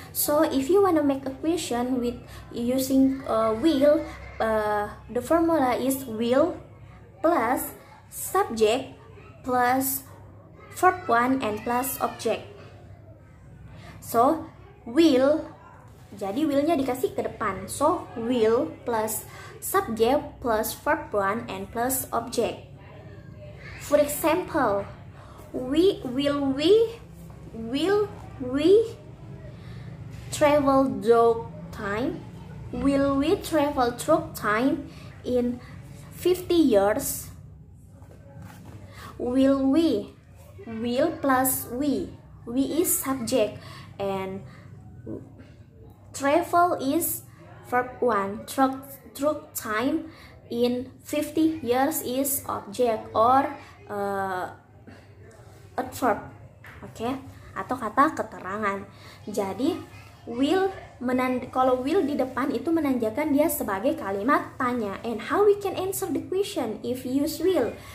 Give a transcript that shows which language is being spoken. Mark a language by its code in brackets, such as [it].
[en] So if you want to make a question with using will, the formula is will plus subject plus verb 1 and plus object. [id] So will, jadi will-nya dikasih ke depan. [en] So will plus subject plus verb 1 and plus object. For example, will we travel through time? Will we travel through time in 50 years? Will plus we is subject, and travel is verb 1. Truck time in 50 years is object or adverb, okay? [id] Atau kata keterangan. Jadi will kalau will di depan itu menandakan dia sebagai kalimat tanya. [en] And how we can answer the question if use will?